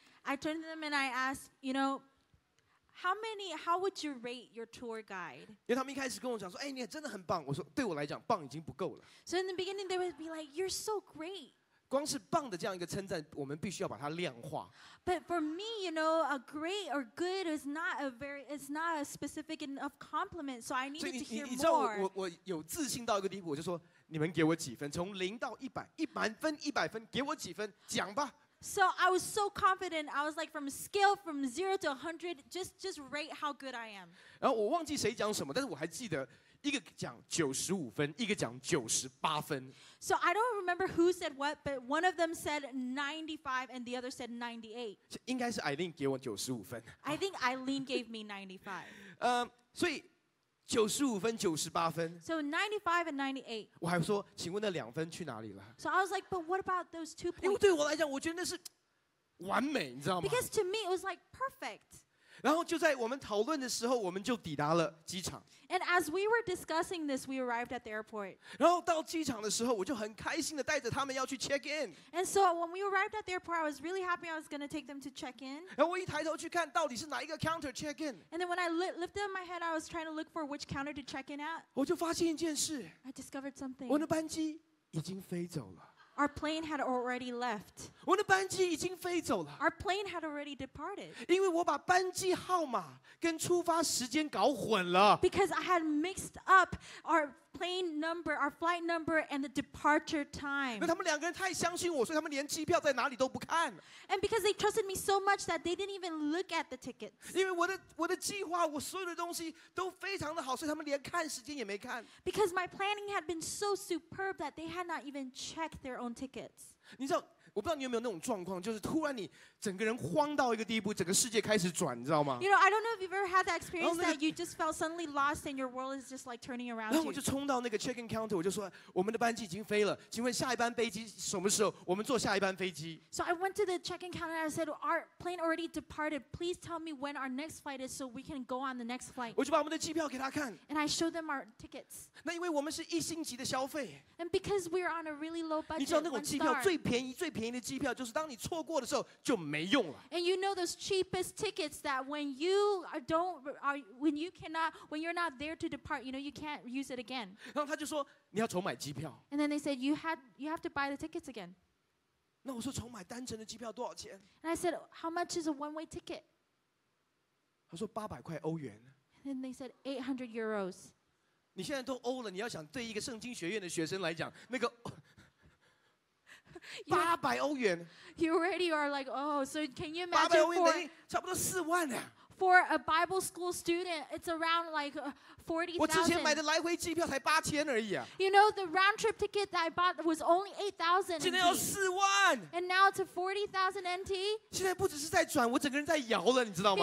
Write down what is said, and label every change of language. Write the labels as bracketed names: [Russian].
[English] I turned to them and I asked, you know, how would you rate your tour guide? [Chinese] 因为他们一开始跟我讲说，哎，你真的很棒。我说，对我来讲，棒已经不够了。 [English] So in the beginning, they would be like, you're so great. [Chinese] 光是棒的这样一个称赞，我们必须要把它量化。 [English] But for me, you know, a great or good is not a very, it's not a specific enough compliment, so I needed to hear more. [Chinese] 所以你知道我有自信到一个地步，我就说，你们给我几分？从零到一百，一百分，一百分，给我几分？讲吧。 [English] So I was so confident. I was like, from a scale from 0 to 100, just rate how good I am. [Chinese] 然后我忘记谁讲什么，但是我还记得。一个讲九十五分，一个讲九十八分。 [English] So I don't remember who said what, but one of them said 95 and the other said 98. [Chinese] 应该是 Eileen 给我九十五分。 [English] I think Eileen gave me 95. [Chinese] 所以九十五分、九十八分。 [English] So 95 and 98. [Chinese] 我还说，请问那两分去哪里了 [English] ？So I was like, but what about those 2 points? [Chinese] 因为对我来讲，我觉得那是完美，你知道吗 [English] ？Because to me, it was like perfect. [Chinese] 然后就在我们讨论的时候，我们就抵达了机场。 [English] And as we were discussing this, we arrived at the airport. [Chinese] 然后到机场的时候，我就很开心的带着他们要去 check in. [English] And so when we arrived at the airport, I was really happy I was going to take them to check in. [Chinese] 然后我一抬头去看到底是哪一个 counter check in. [English] And then when I lifted up my head, I was trying to look for which counter to check in at. [Chinese] 我就发现一件事。 [English] I discovered something. [Chinese] 我的班机已经飞走了。 [English] Our plane had already left. [Chinese] 我的班机已经飞走了。 [English] Our plane had already departed. [Chinese] 因为我把班机号码跟出发时间搞混了。 [English] Because I had mixed up our plane number, our flight number, and the departure time. [Chinese] 那他们两个人太相信我，所以他们连机票在哪里都不看。 [English] And because they trusted me so much that they didn't even look at the tickets. [Chinese] 因为我的计划，我所有的东西都非常的好，所以他们连看时间也没看。 [English] Because my planning had been so superb that they had not even checked their own tickets. [Chinese] 你知道，我不知道你有没有那种状况，就是突然你整个人慌到一个地步，整个世界开始转，你知道吗 [English] ？You know, I don't know if you've ever had that experience that you just felt suddenly lost and your world is just like turning around. [Chinese] 然后我就冲到那个 check-in counter， 我就说我们的班机已经飞了，请问下一班飞机什么时候？我们坐下一班飞机。 [English] So I went to the check-in counter and I said, "Our plane already departed. Please tell me when our next flight is so we can go on the next flight." [Chinese] 我就把我们的机票给他看。 [English] And I showed them our tickets. [Chinese] 那因为我们是一星级的消费。 [English] And because we're on a really low budget, [Chinese] 你知道那种机票最便宜最便宜的机票，就是当你错过的时候就没用了。 [English] And you know those cheapest tickets that when you don't, when you cannot, when you're not there to depart, you know you can't use it again. [Chinese] 然后他就说你要重买机票。 [English] And then they said you have to buy the tickets again. [Chinese] 那我说重买单程的机票多少钱 [English] ？And I said how much is a one-way ticket? [Chinese] 他说800块欧元。 [English] And then they said 800 euros. [Chinese] 你现在都欧了，你要想对一个圣经学院的学生来讲，那个。 800欧元 [English] You already are like, oh, so can you imagine for [Chinese] 差不多四万啊 [English] For a Bible school student, it's around like 40,000. [Chinese] 我之前买的来回机票才八千而已啊 [English] You know, the round trip ticket that I bought was only 8,000. [Chinese] 现在要四万 [English] And now it's 40,000 NT. [Chinese] 现在不只是在转，我整个人在摇了，你知道吗